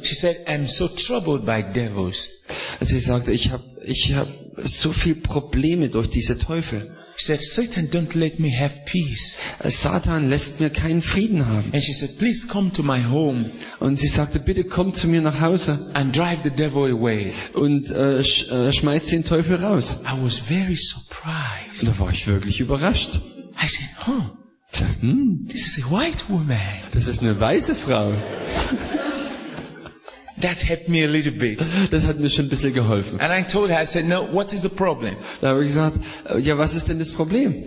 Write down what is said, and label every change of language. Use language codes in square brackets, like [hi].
[en] She said, "I'm so troubled by devils." [de] Sie sagte, ich hab so viel Probleme durch diese Teufel. [en] She said, "Satan don't let me have peace." [de] Satan lässt mir keinen Frieden haben. [en] And she said, "Please come to my home." [de] Und sie sagte, bitte komm zu mir nach Hause. [en] "And drive the devil away." [de] Und schmeiß den Teufel raus. [en] I was very surprised. [de] Da war ich wirklich überrascht. [en] I said, "Huh." This is a white woman. [de] Das ist eine weiße Frau. [en] That helped me a little bit. [de] Das hat mir schon ein bisschen geholfen. [en] And I told her, I said, "No, what is the problem?" [de] Da habe ich gesagt, ja, was ist denn das Problem?